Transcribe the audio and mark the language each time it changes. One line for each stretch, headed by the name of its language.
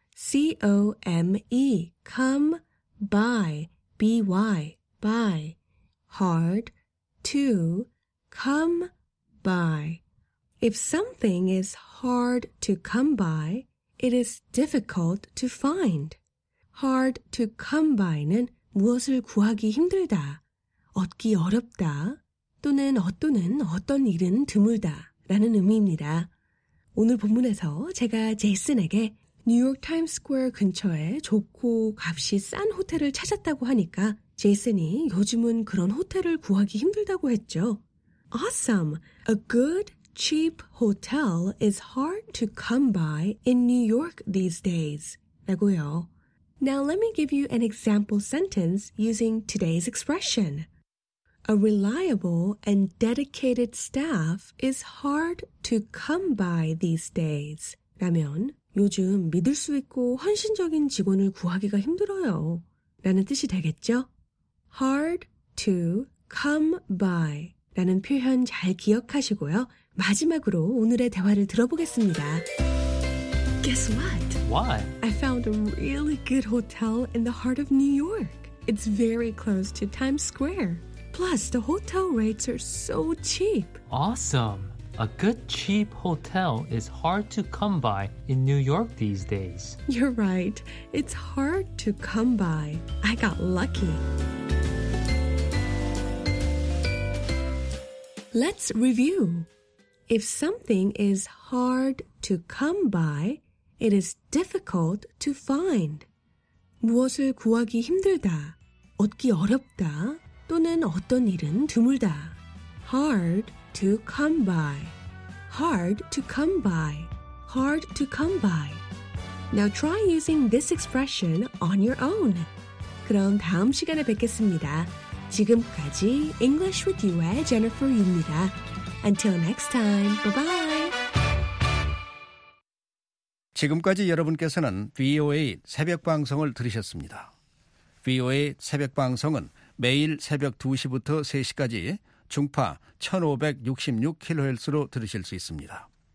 English: C-O-M-E. Come by. B-Y. By. Hard. To come by. If something is hard to come by, it is difficult to find.
Korean: Hard to come by 는 무엇을 구하기 힘들다, 얻기 어렵다, 또는 어떠는 어떤 일은 드물다 라는 의미입니다. 오늘 본문에서 제가 제이슨에게 뉴욕 타임스퀘어 근처에 좋고 값이 싼 호텔을 찾았다고 하니까 제이슨이 요즘은 그런 호텔을 구하기 힘들다고 했죠.
English: Awesome! A good, cheap hotel is hard to come by in New York these days.
Korean: 라고요.
English: Now let me give you an example sentence using today's expression. A reliable and dedicated staff is hard to come by these days.
Korean: 라면 요즘 믿을 수 있고 헌신적인 직원을 구하기가 힘들어요. 라는 뜻이 되겠죠?
English: Hard to come by
Korean: 라는 표현 잘 기억하시고요. 마지막으로 오늘의 대화를 들어보겠습니다.
English: Guess what? What? I found a really good hotel in the heart of New York. It's very close to Times Square. Plus, the hotel rates are so cheap. Awesome. A good cheap hotel is hard to come by in New York these days. You're right. It's hard to come by. I got lucky. Let's review. If something is hard to come by, it is difficult to find.
Korean: 무엇을 구하기 힘들다, 얻기 어렵다, 또는 어떤 일은 드물다.
English: Hard to come by. Hard to come by. Hard to come by. Now try using this expression on your own.
Korean: 그럼 다음 시간에 뵙겠습니다. 지금까지 English with You의 Jennifer 유입니다.
English: Until next time, bye-bye.
Korean: 지금까지 여러분께서는 VOA 새벽 방송을 들으셨습니다. VOA 새벽 방송은 매일 새벽 2시부터 3시까지 중파 1566kHz로 들으실 수 있습니다.